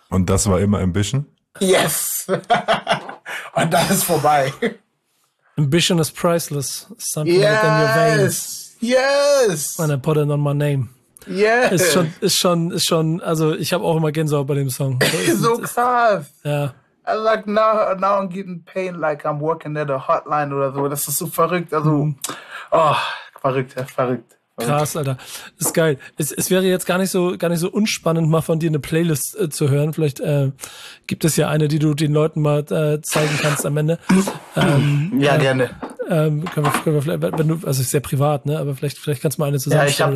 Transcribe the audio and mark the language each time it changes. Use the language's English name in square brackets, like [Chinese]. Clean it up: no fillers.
[German] Und das war immer Ambition? Yes! Und dann ist vorbei. [English] Ambition is priceless. Something yes. Within your veins. Yes! And I put it on my name. Yes! [German] Ist schon, also ich habe auch immer Gänsehaut bei dem Song. So krass! Ja. [English] I like now I'm getting pain like I'm working at a hotline [German] oder so. Das ist so verrückt. Also, oh, verrückt, verrückt. Krass, Alter. Ist geil. Es wäre jetzt gar nicht so unspannend, mal von dir eine Playlist zu hören. Vielleicht gibt es ja eine, die du den Leuten mal zeigen kannst am Ende. Ja, gerne. Können wir vielleicht, wenn du, also ist sehr privat, ne? Aber vielleicht kannst du mal eine zusammenstellen.